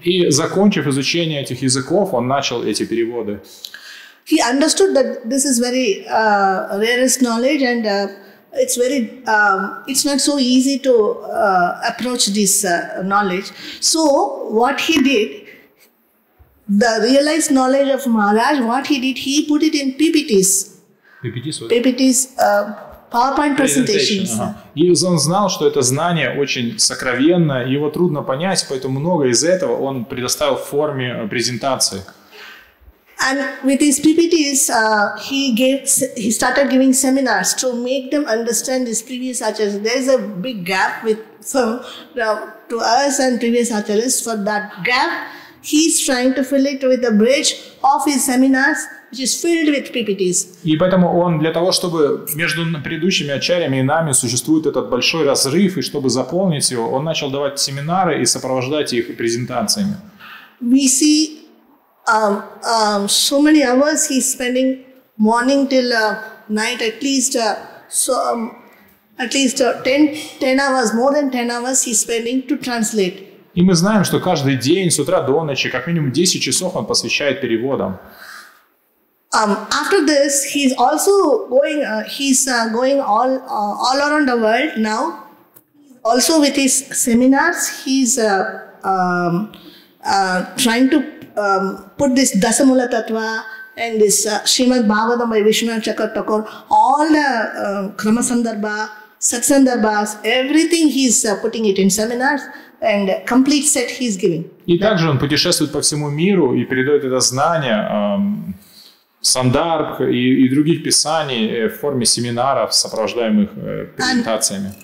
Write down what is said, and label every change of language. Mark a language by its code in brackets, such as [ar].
[ru] И закончив изучение этих языков, он начал эти переводы. [en] He understood that this is very rarest knowledge and it's very it's not so easy to approach this knowledge. So what he did, the realized knowledge of Maharaj, what he did, he put it in PPTs. PPTs. PowerPoint presentations. [ru] И он знал, что это знание очень сокровенное, его трудно понять, поэтому много из этого он предоставил в форме презентации. [en] And with his PPTs, he started giving seminars to make them understand his previous acharyas. There's a big gap with from to us and previous acharyas. For that gap, he's trying to fill it with a bridge of his seminars, which is filled with PPTs. [ru] И поэтому он для того, чтобы между предыдущими ачарьями и нами существует этот большой разрыв, и чтобы заполнить его, он начал давать семинары и сопровождать их презентациями. [en] We see. So many hours he's spending morning till night at least. So At least 10 hours, more than 10 hours he's spending to translate. [ru] И мы знаем, что каждый день с утра до ночи как минимум 10 часов он посвящает переводам. [en] After this, he's also going. He's going all around the world now. Also with his seminars, he's trying to put this Dasamula Tattva and this Srimad Bhagavatam by Vishwanath Chakra Thakur, all the Krama Sandarbha, Satsandarbhas, everything he's putting it in seminars. And complete set he's giving. [ru] И да? Также он путешествует по всему миру и передает это знание сандарбх и других писаний в форме семинаров, сопровождаемых презентациями.